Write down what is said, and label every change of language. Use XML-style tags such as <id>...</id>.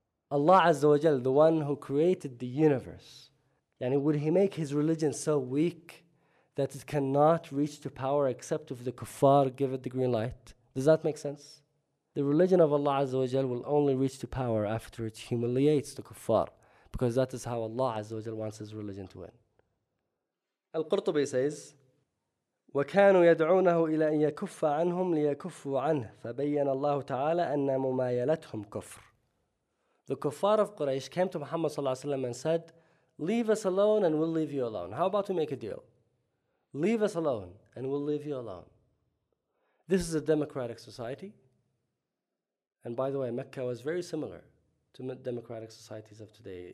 <en>Allah Azza wa Jal, the one who created the universe, and would he make his religion so weak that it cannot reach to power except if the kuffar give it the green light? Does that make sense? The religion of Allah Azza wa Jal will only reach to power after it humiliates the kuffar, because that is how Allah Azza wa Jal wants his religion to win. Al-Qurtubi says,</en> <ar>وَكَانُوا يَدْعُونَهُ إِلَىٰ أَنْ يَكُفَّ عَنْهُمْ لِيَكُفُّوا عَنْهُ فَبَيَّنَ اللَّهُ تَعَالَىٰ أَنَّ مُمَايَلَتْهُمْ كُفْرٌ.</ar> <en>The kuffar of Quraysh came to Muhammad sallallahu alayhi wa sallam and said, leave us alone and we'll leave you alone. How about we make a deal? Leave us alone and we'll leave you alone. This is a democratic society. And by the way, Mecca was very similar to democratic societies of today.</en>